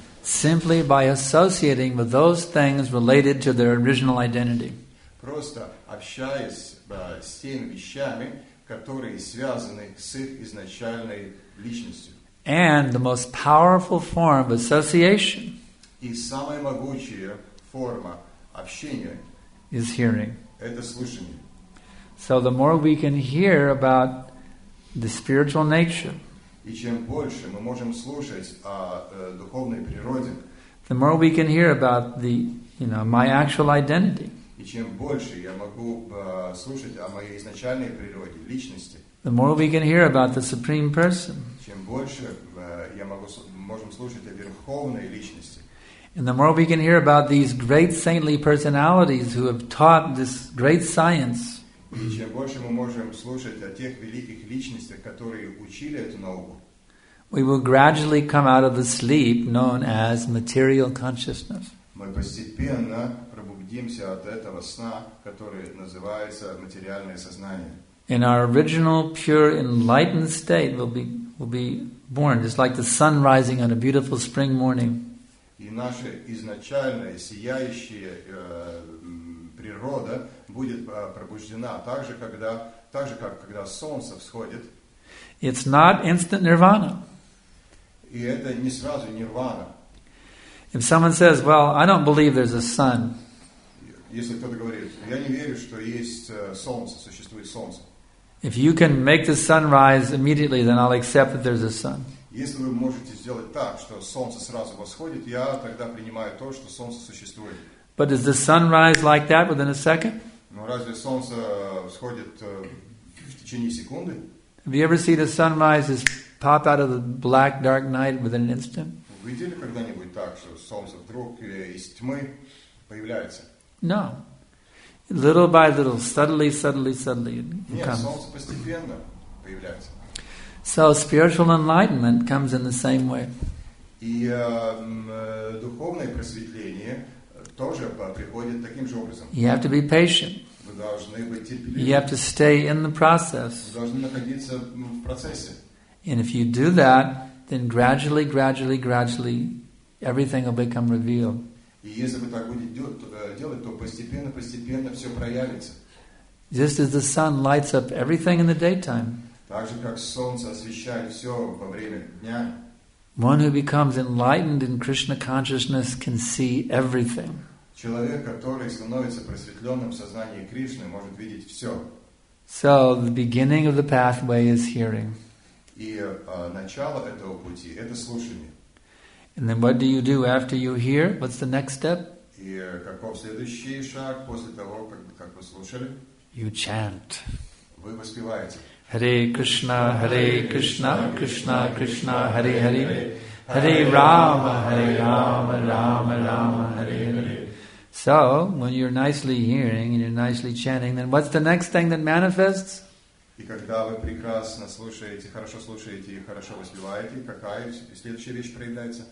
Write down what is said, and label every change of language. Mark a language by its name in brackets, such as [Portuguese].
[English] simply by associating with those things related to their original identity. [Russian] Просто общаясь с теми вещами, которые связаны с их изначальной личностью. [English] And the most powerful form of association [Russian] и самая могучая форма общения [English] is hearing. [Russian] Это слушание. [English] So the more we can hear about the spiritual nature, [Russian] и чем больше мы можем слушать о духовной природе, [English] the more we can hear about the, you know, my actual identity, [Russian] и чем больше я могу слушать о моей изначальной природе, личности, [English] the more we can hear about the Supreme Person, [Russian] чем больше можем слушать о Верховной Личности, [English] and the more we can hear about these great saintly personalities who have taught this great science, [Russian] и чем больше мы можем слушать о тех великих личностях, которые учили эту науку, [English] we will gradually come out of the sleep known as material consciousness. [Russian] Мы постепенно пробудимся от этого сна, который называется материальное сознание. [English] In our original, pure, enlightened state, we'll be born, just like the sun rising on a beautiful spring morning. [Russian] И наша изначальная сияющая природа будет пробуждена, так же как когда солнце всходит. [English] It's not instant nirvana. [Russian] И это не сразу нирвана. [English] If someone says, well, I don't believe there's a sun. [Russian] Если кто-то говорит, я не верю, что есть солнце, существует солнце. [English] If you can make the sun rise immediately, then I'll accept that there's a sun. [Russian] Если вы можете сделать так, что солнце сразу восходит, я тогда принимаю то, что солнце существует. [English] But does the sun rise like that within a second? [Russian] Ну разве солнце восходит в течение секунды? [English] Have you ever seen a sunrise just pop out of the black, dark night within an instant? [Russian] Видели когда-нибудь так, что солнце вдруг из тьмы появляется? [English] No. Little by little, subtly, subtly, subtly, it comes. [Russian] Солнце постепенно появляется. [English] So spiritual enlightenment comes in the same way. [Russian] И духовное просветление тоже приходит таким же образом. [English] You have to be patient. [Russian] Вы должны быть терпеливы. [English] You have to stay in the process. [Russian] Вы должны находиться в процессе. [English] And if you do that, then gradually, gradually, gradually, everything will become revealed. [Russian] И если вы так будете делать, то постепенно, постепенно все проявится. [English] Just as the sun lights up everything in the daytime. [Russian] Так же, как солнце освещает все во время дня. [English] One who becomes enlightened in Krishna consciousness can see everything. [Russian] Человек, который становится просветленным в сознании Кришны, может видеть все. [English] So the beginning of the pathway is hearing. [Russian] И начало этого пути – это слушание. [English] And then what do you do after you hear? What's the next step? [Russian] И каков следующий шаг после того, как вы слушали? [English] You chant. [Russian] Вы воспеваете. [Sanskrit] Hare Krishna, Hare Krishna, Krishna Krishna, Hare Hare. Hare Rama, Hare Rama, Rama Rama, Hare Hare. [English] So, when you're nicely hearing and you're nicely chanting, then what's the next thing that manifests? [Russian] И когда вы прекрасно слушаете и хорошо воспеваете, какая следующая вещь проявляется?